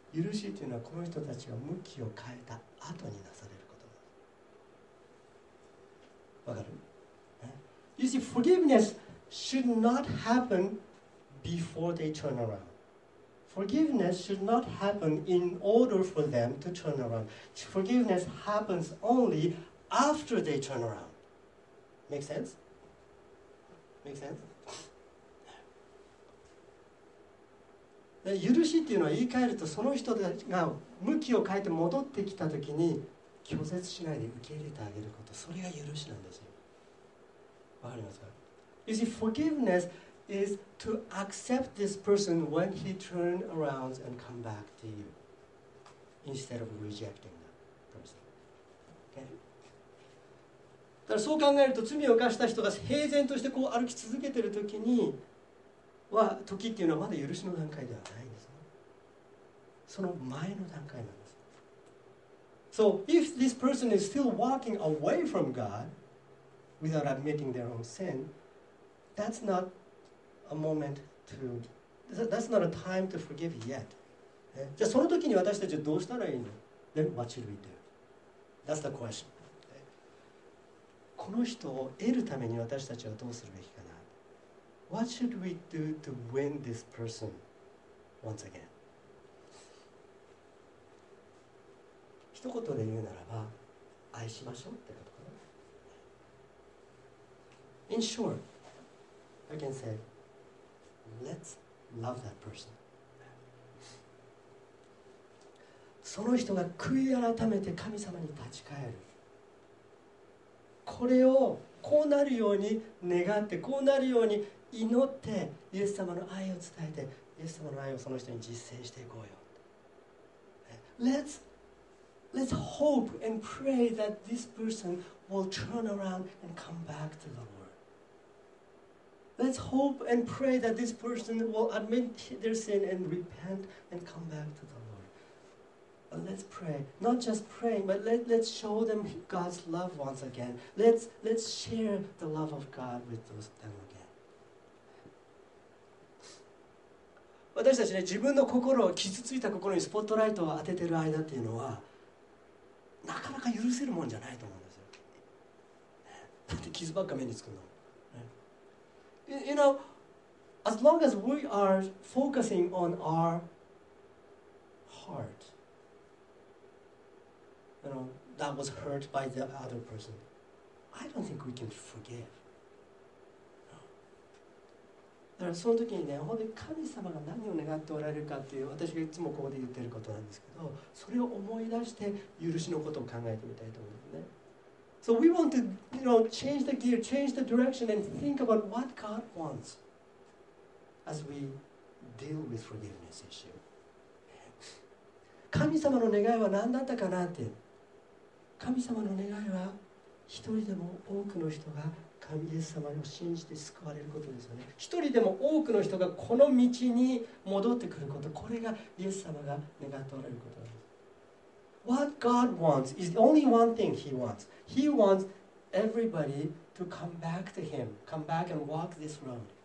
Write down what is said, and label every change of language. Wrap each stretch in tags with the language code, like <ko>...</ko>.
<ja>許しっていうのはこの人たちが向きを変えた後になされることなんです。わかる？</ja> <en>You see, forgiveness should not happen before they turn around. Forgiveness should not happen in order for them to turn around. Forgiveness happens only after they turn around. Make sense? Make sense?</en> <ja>許しっていうのは言い換えるとその人が向きを変えて戻ってきたときに拒絶しないで受け入れてあげること、それが許しなんですよ。わかりますか？</ja> <en>You see, forgiveness is to accept this person when he turns around and come back to you instead of rejecting that person. Okay?</en> <ja>だからそう考えると罪を犯した人が平然としてこう歩き続けてるときには、時っていうのはまだ許しの段階ではないんですね。その前の段階なんです。</ja> <en>So if this person is still walking away from God without admitting their own sin, that's not a moment to, that's not a time to forgive yet.</en> <ja>じゃあその時に私たちはどうしたらいいの？</ja> <en>Then what should we do? That's the question.</en> <ja>この人を得るために私たちはどうするべきかな？</ja> <en>What should we do to win this person once again?</en> <ja>一言で言うならば、愛しましょうってことかな。</ja> <en>In short, I can say, let's love that person.</en> <ja>その人が悔い改めて神様に立ち返る。これをこうなるように願って、こうなるように祈って、イエス様の愛を伝えて、イエス様の愛をその人に実践していこうよ。</ja> <en>Let's hope and pray that this person will turn around and come back to the Lord. Let's hope and pray that this person will admit their sin and repent and come back to the Lord. But let's pray, not just pray, but let's show them God's love once again. Let's share the love of God with them again.</en> <ja>私たちね、自分の心を傷ついた心にスポットライトを当ててる間っていうのはなかなか許せるもんじゃないと思うんですよ。だって傷ばっか目につくの。</ja> <en>You know, as long as we are focusing on our heart, you know, that was hurt by the other person, I don't think we can forgive.</en> <ja>だからその時にね、本当に神様が何を願っておられるかっていう、私がいつもここで言ってることなんですけど、それを思い出して許しのことを考えてみたいと思うんですね。</ja> <en>So we want to, you know, change the gear, change the direction and think about what God wants as we deal with forgiveness issue.</en> <ja>神様の願いは何だったかなって、神様の願いは一人でも多くの人が神イエス様を信じて救われることですよね。一人でも多くの人がこの道に戻ってくること、これがイエス様が願っておられることです。</ja> <en>What God wants is only one thing He wants. He wants everybody to come back to Him, come back and walk this road.</en>